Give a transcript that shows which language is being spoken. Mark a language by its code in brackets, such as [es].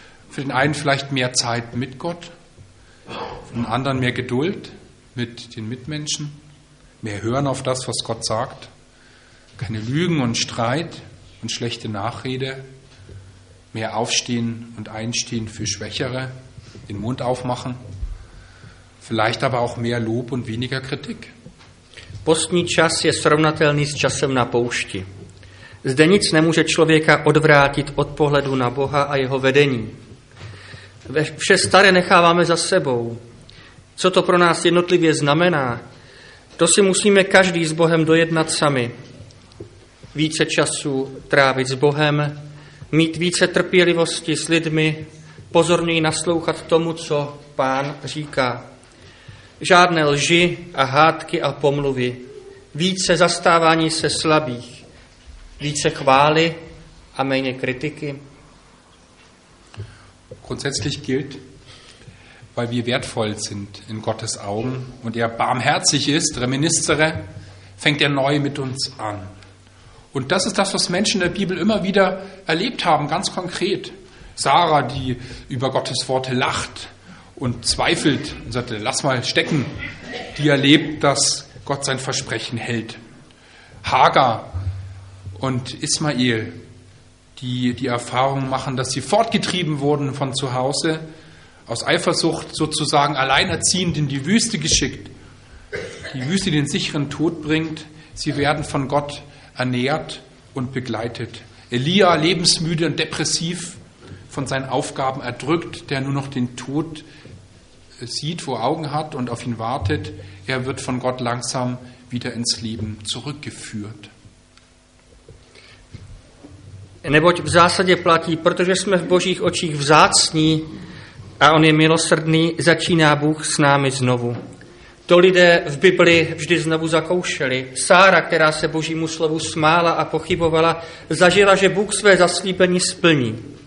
[de] Für den einen vielleicht mehr Zeit mit Gott, für den anderen mehr Geduld mit den Mitmenschen, mehr Hören auf das, was Gott sagt. Keine Lügen und Streit und schlechte Nachrede, mehr Aufstehen und Einstehen für Schwächere, den Mund aufmachen, vielleicht aber auch mehr Lob und weniger Kritik. [cs] Postní čas je srovnatelný s časem na poušti. Zde nic nemůže člověka odvrátit od pohledu na Boha a jeho vedení. Vše staré necháváme za sebou. Co to pro nás jednotlivě znamená? To si musíme každý s Bohem dojednat sami. Více času trávit s Bohem, mít více trpělivosti s lidmi, pozorněji naslouchat tomu, co Pán říká. Žádné lži a hádky a pomluvy, více zastávání se slabých, více chvály a méně kritiky. [de] Grundsätzlich gilt, weil wir wertvoll sind in Gottes Augen und er barmherzig ist, reminiscere, fängt er neu mit uns an. Und das ist das, was Menschen in der Bibel immer wieder erlebt haben, ganz konkret. Sarah, die über Gottes Worte lacht und zweifelt und sagt, lass mal stecken, die erlebt, dass Gott sein Versprechen hält. Hagar und Ismael, die die Erfahrung machen, dass sie fortgetrieben wurden von zu Hause, aus Eifersucht sozusagen alleinerziehend in die Wüste geschickt, die Wüste den sicheren Tod bringt, sie werden von Gott ernährt und begleitet. Elia, lebensmüde und depressiv, von seinen Aufgaben erdrückt, der nur noch den Tod sieht, wo Augen hat und auf ihn wartet, er wird von Gott langsam wieder ins Leben zurückgeführt. [cs] Neboť v zásadě platí, protože jsme v Božích očích vzácní a on je milosrdný, začíná Bůh s námi znovu. To lidé v Bibli vždy znovu zakoušeli. Sára, která se Božímu slovu smála a pochybovala, zažila, že Bůh své zaslíbení splní.